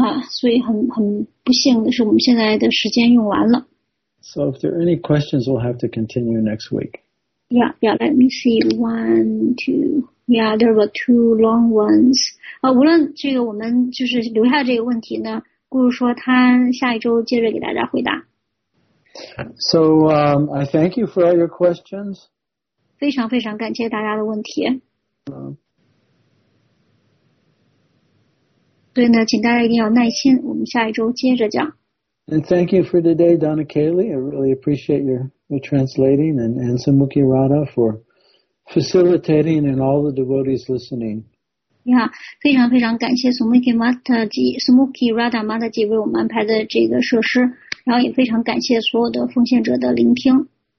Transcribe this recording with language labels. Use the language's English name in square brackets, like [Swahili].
[Chinese] 所以很不幸的是，我们现在的时间用完了。 [English] So if there are any questions, we'll have to continue next week. Yeah. Let me see. One, two. Yeah, there were two long ones. [Chinese] 无论这个我们就是留下这个问题呢，故事说他下一周接着给大家回答。 [English] So, I thank you for all your questions. [Chinese] 非常非常感谢大家的问题。所以呢，请大家一定要耐心，我们下一周接着讲。 [English] And thank you for today, Donna Kaylee. I really appreciate your translating and Samukhi Radha for. Facilitating and all the devotees listening. [Chinese] Yeah, 非常非常感谢 Sumukhi Radha Mataji 为我们安排的这个设施，然后也非常感谢所有的奉献者的聆听。